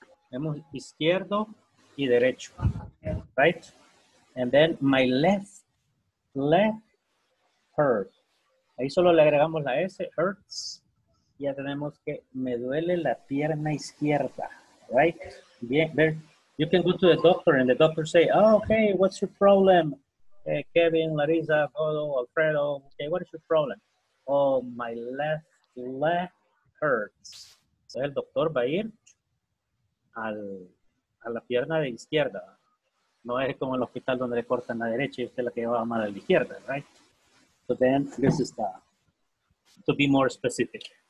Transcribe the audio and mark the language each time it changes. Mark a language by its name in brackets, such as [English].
[Spanish] Tenemos izquierdo y derecho. Right. [English] And then my left leg hurt. [Spanish] Ahí solo le agregamos la S, hurts. Ya tenemos que me duele la pierna izquierda, right? Bien, [English] there. You can go to the doctor and the doctor say, oh, okay, what's your problem? Kevin, Larissa, Godo, Alfredo, okay, what is your problem? Oh, my left leg hurts. [Spanish] So el doctor va a ir a la pierna de izquierda. No es como el hospital donde le cortan la derecha y usted la que va mal a la izquierda, right? [English] So then this is the, to be more specific.